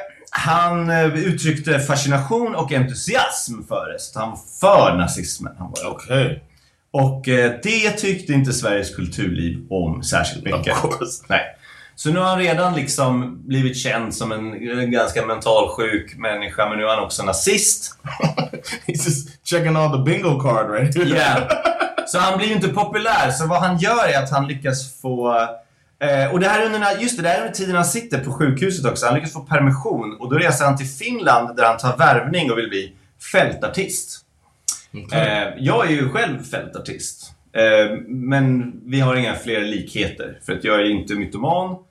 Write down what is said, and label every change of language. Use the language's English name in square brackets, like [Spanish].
[Swedish] Han uttryckte fascination och entusiasm för det. Han var för nazismen. Okej. Okay. Och det tyckte inte Sveriges kulturliv om särskilt mycket. [English] Of course. [Swedish] Nej. Så nu har han redan liksom blivit känd som en ganska mentalsjuk människa. Men nu är han också nazist. [English] He's just checking all the bingo card right here. Yeah. [Swedish] Så han blir ju inte populär. Så vad han gör är att han lyckas få och det här under, just det, det här under tiden han sitter på sjukhuset också. Han lyckas få permission och då reser han till Finland där han tar värvning och vill bli fältartist. Jag är ju själv fältartist, men vi har inga fler likheter, för att jag är inte mytoman.